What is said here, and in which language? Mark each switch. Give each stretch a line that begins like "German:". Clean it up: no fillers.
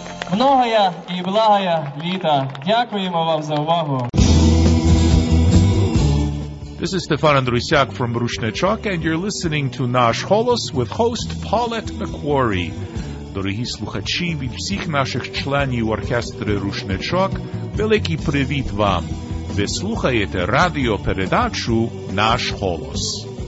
Ukrainian: довгоноге і благоє літо. Дякуємо вам за увагу.
English: This is Stefan Andrusiak from Rushnechok, and you're listening to Nash Holos with host Paulette McQuarrie.
Ukrainian: Дорогі слухачі, від всіх наших членів оркестри Рушничок, великий привіт вам! Ви слухаєте радіопередачу «Наш голос».